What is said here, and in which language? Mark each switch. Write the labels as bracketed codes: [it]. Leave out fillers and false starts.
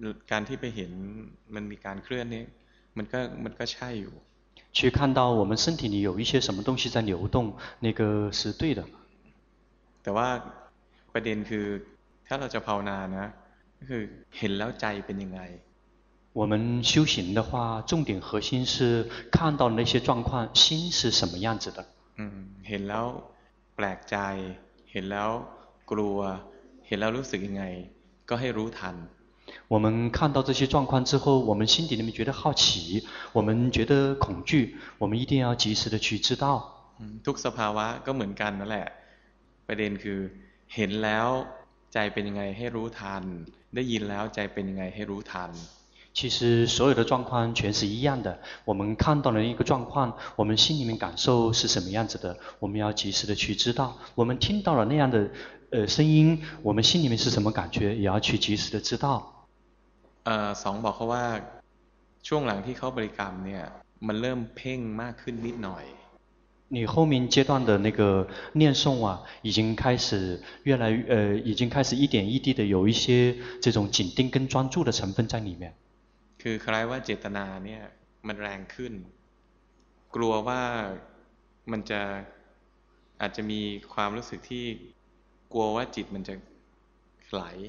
[th] การที่ไปเห็นมันมีการเคลื่อนนี่มันก็ใช่อยู่ [zh] 去看到我们身体里有一些什么东西在流动那个是对的 [th] แต่ว่าประเด็นคือถ้าเราจะภาวนานะคือเห็นแล้วใจเป็นยังไง [zh] 我们修行的话重点核心是看到那些状况心是什么样子的 [th] เห็นแล้วแปลกใจเห็นแล้วกลัวเห็นแล้วรู้สึกยังไงก็ให้รู้ทัน [zh] 我们看到这些状况之后我们心底里面觉得好奇我们觉得恐惧我们一定要及时的去知道 [th] ทุกสภาวะก็เหมือนกันนั่นแหละประเด็นคือเห็นแล้วใจเป็นยังไงให้รู้ทันได้ยินแล้วใจเป็นยังไงให้รู้ทัน [zh] 其实所有的状况全是一样的我们看到了一个状况我们心里面感受是什么样子的我们要及时的去知道我们听到了那样的声音我们心里面是什么感觉也要去及时的知道 [th] สองบอกเขาว่าช่วงหลังที่เขาบริกรรมเนี่ยมันเริ่มเพ่งมากขึ้นนิดหน่อย [zh] 你后面阶段的那个念诵啊已经开始越来越已经开始一点一滴的有一些这种紧盯跟专注的成分在里面 [th] คือคล้ายว่าเจตนาเนี่ยมันแรงขึ้นกลัวว่ามันจะอาจจะมีความรู้สึกที่กลัวว่าจิตมันจะไหล